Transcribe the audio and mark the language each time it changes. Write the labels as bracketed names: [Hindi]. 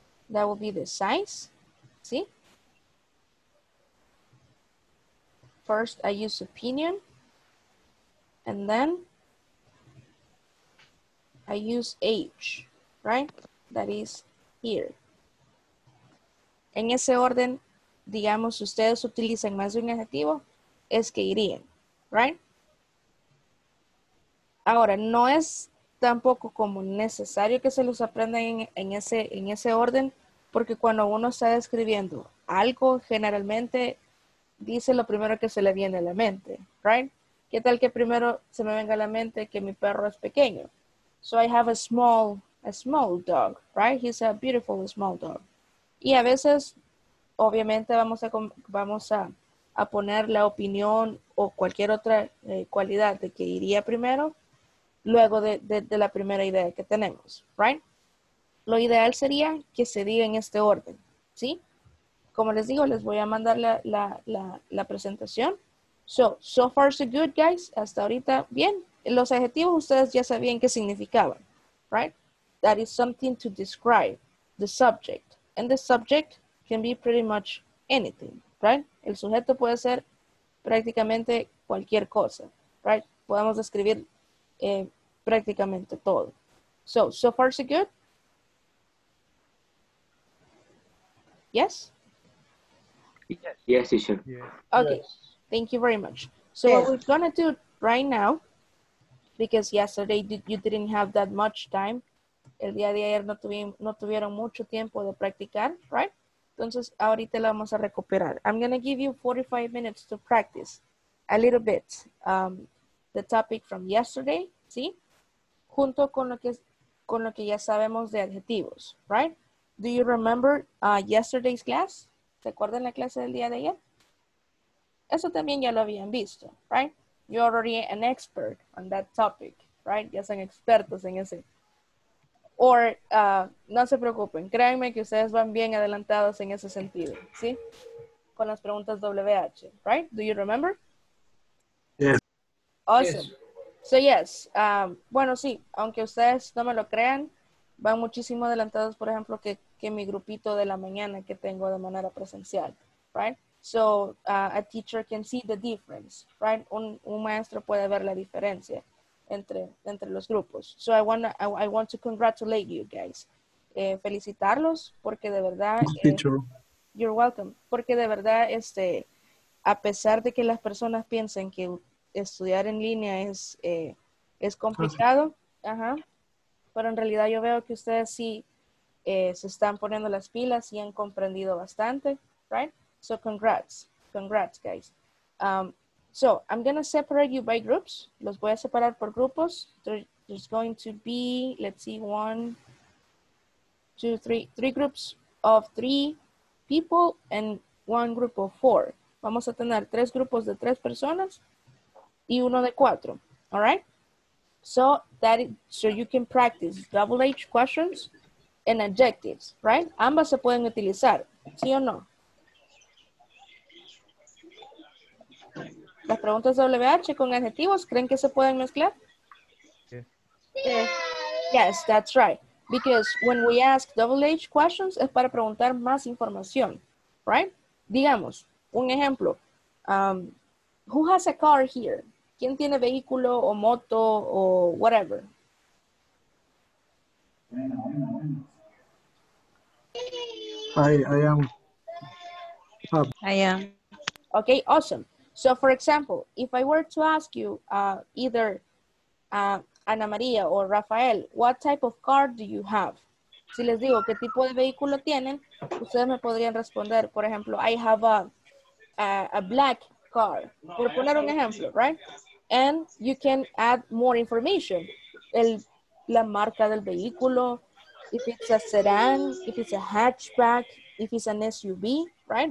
[English] That will be the size, ¿sí? First, I use opinion, and then I use age, right? That is here. [Spanish] En ese orden, digamos, ustedes utilizan más de un adjetivo, es que irían, right? Ahora, no es tampoco como necesario que se los aprendan en ese orden, porque cuando uno está describiendo algo, generalmente dice lo primero que se le viene a la mente, right? ¿Qué tal que primero se me venga a la mente que mi perro es pequeño? [English] So I have a small dog, right? He's a beautiful small dog. [Spanish] Y a veces, obviamente, vamos a poner la opinión o cualquier otra cualidad de que iría primero, luego de la primera idea que tenemos, right? Lo ideal sería que se diga en este orden, ¿sí? Como les digo, les voy a mandar la presentación. [English] So far so good, guys. [Spanish] Hasta ahorita, bien. Los adjetivos ustedes ya sabían qué significaban, right? [English] That is something to describe the subject. And the subject can be pretty much anything, right? [Spanish] El sujeto puede ser prácticamente cualquier cosa, right? Podemos describir prácticamente todo. [English] So far so good? Yes? Yes, teacher. Okay, yes. Thank you very much. So yes. What we're gonna do right now, because yesterday you didn't have that much time, [Spanish] el día de ayer no tuvieron mucho tiempo de practicar, [English] right? [Spanish] Entonces, ahorita la vamos a recuperar. [English] I'm going to give you 45 minutes to practice a little bit the topic from yesterday, ¿sí? [Spanish] Junto con lo que, con lo que ya sabemos de adjetivos, right? [English] Do you remember yesterday's class? [Spanish] ¿Se acuerdan la clase del día de ayer? Eso también ya lo habían visto, right? [English] You're already an expert on that topic, right? [Spanish] Ya son expertos en ese. Or, no se preocupen, créanme que ustedes van bien adelantados en ese sentido, ¿sí? Con las preguntas WH, right? [English] Do you remember? Yes. Awesome. Yes. So, yes. [Spanish] Bueno, sí, aunque ustedes no me lo crean, van muchísimo adelantados, por ejemplo, que mi grupito de la mañana que tengo de manera presencial, right? [English] So, a teacher can see the difference, right? [Spanish] Un maestro puede ver la diferencia entre los grupos. [English] So, I want to congratulate you guys. [Spanish] Felicitarlos porque de verdad... [English] You're welcome. [Spanish] Porque de verdad, a pesar de que las personas piensen que estudiar en línea es complicado, pero en realidad yo veo que ustedes sí se están poniendo las pilas y han comprendido bastante, right? [English] So congrats, congrats guys. So I'm going to separate you by groups. [Spanish] Los voy a separar por grupos. [English] There's going to be, let's see, 1, 2, 3 groups of 3 people and 1 group of 4. [Spanish] Vamos a tener 3 grupos de 3 personas y 1 de 4. [English] All right? So you can practice WH questions and adjectives, right? [Spanish] Ambas se pueden utilizar, ¿sí o no? ¿Las preguntas WH con adjetivos, creen que se pueden mezclar? Sí. [English] Yes, that's right. Because when we ask WH questions, [Spanish] es para preguntar más información, [English] right? [Spanish] Digamos, un ejemplo. [English] Who has a car here? [Spanish] ¿Quién tiene vehículo o moto o whatever? [English] I am. Okay, awesome. So, for example, if I were to ask you either Ana María or Rafael, what type of car do you have? [Spanish] Si les digo qué tipo de vehículo tienen, ustedes me podrían responder, por ejemplo, [English] I have a black car. [Spanish] Por poner un ejemplo, right? [English] And you can add more information. [Spanish] La marca del vehículo, [English] if it's a sedan, if it's a hatchback, if it's an SUV, right?